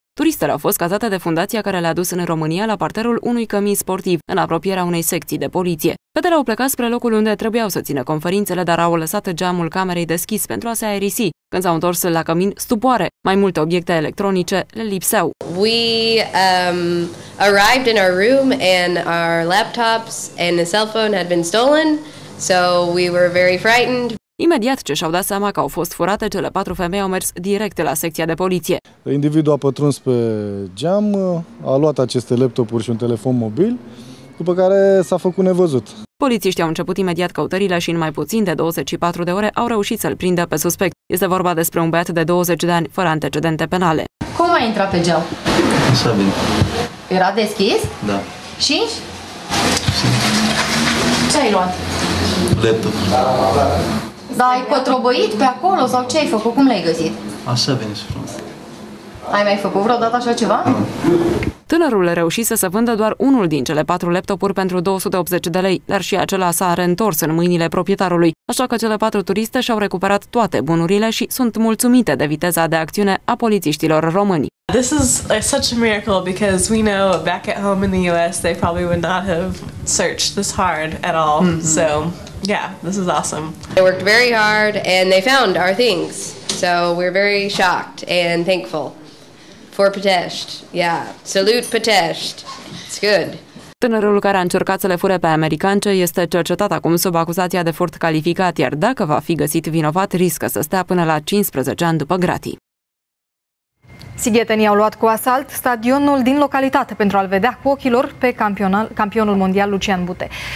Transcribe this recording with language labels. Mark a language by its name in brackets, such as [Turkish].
[Romanian] Turistele au fost cazate de fundația care le-a dus în România la parterul unui cămin sportiv, în apropierea unei secții de poliție. Fetele au plecat spre locul unde trebuiau să țină conferințele, dar au lăsat geamul camerei deschis pentru a se aerisi. Când s-au întors la cămin, stupoare, mai multe obiecte electronice le lipseau. [English] We arrived in our room and our laptops and the cell phone had been stolen, so we were very frightened. [Romanian] Imediat ce și-au dat seama că au fost furate, cele patru femei au mers direct la secția de poliție. Individul a pătruns pe geam, a luat aceste laptopuri și un telefon mobil, după care s-a făcut nevăzut. Polițiștii au început imediat căutările și în mai puțin de 24 de ore au reușit să-l prindă pe suspect. Este vorba despre un băiat de 20 de ani, fără antecedente penale. Cum a intrat pe geam? S-a venit. Era deschis? Da. Și? Ce ai luat? Laptop. Dar ai cotrobăit pe acolo sau ce ai făcut? Cum l-ai găsit? Așa veni și frumos. Ai mai făcut vreodată așa ceva? Tânărul reușise să se vândă doar unul din cele patru laptopuri pentru 280 de lei, dar și acela s-a reîntors în mâinile proprietarului, așa că cele patru turiste și-au recuperat toate bunurile și sunt mulțumite de viteza de acțiune a polițiștilor români. [English] This is such a miracle because we know back at home in the US they probably would not have searched this hard at all, so... Yeah, this is awesome. They worked very hard and they found our things. So we're very shocked and thankful for Pitești. Yeah, salute Pitești. It's good. [Romanian] Tânărul care a încercat să le fure pe americance este cercetat acum sub acuzația de furt calificat, iar dacă va fi găsit vinovat, riscă să stea până la 15 ani după gratii. Sighetenii au luat cu asalt stadionul din localitate pentru a-l vedea cu ochilor pe campionul mondial Lucian Bute.